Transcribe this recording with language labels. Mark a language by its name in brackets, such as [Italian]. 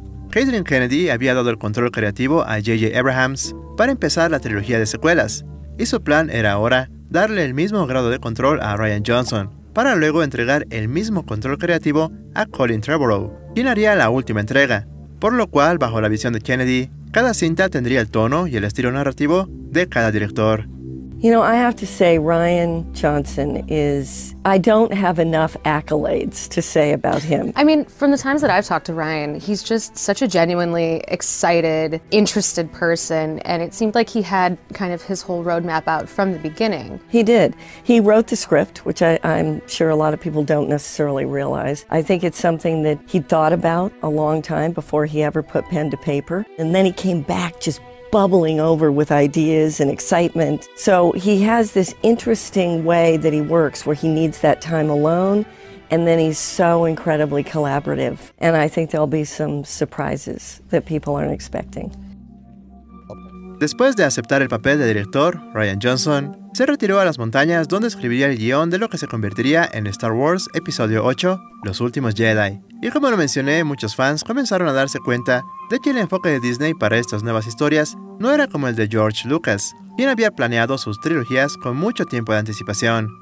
[Spanish] Kathleen Kennedy había dado el control creativo a J.J. Abrahams para empezar la trilogía de secuelas, y su plan era ahora darle el mismo grado de control a Rian Johnson, para luego entregar el mismo control creativo a Colin Trevorrow, quien haría la última entrega, por lo cual, bajo la visión de Kennedy, cada cinta tendría el tono y el estilo narrativo de cada director. [English] You know, I have to say Rian Johnson is, I don't have enough accolades to say about him. I mean, from the times that I've talked to Rian, he's just such a genuinely excited, interested person, and it seemed like he had kind of his whole roadmap out from the beginning. He did. He wrote the script, which I'm sure a lot of people don't necessarily realize. I think it's something that he'd thought about a long time before he ever put pen to paper, and then he came back just bubbling over with ideas and excitement. So he has this interesting way that he works where he needs that time alone, and then he's so incredibly collaborative. And I think there'll be some surprises that people aren't expecting. [Spanish] Después de aceptar el papel de director, Rian Johnson se retiró a las montañas donde escribiría el guion de lo que se convertiría en Star Wars Episodio 8, Los Últimos Jedi. Y como lo mencioné, muchos fans comenzaron a darse cuenta de que el enfoque de Disney para estas nuevas historias no era como el de George Lucas, quien había planeado sus trilogías con mucho tiempo de anticipación.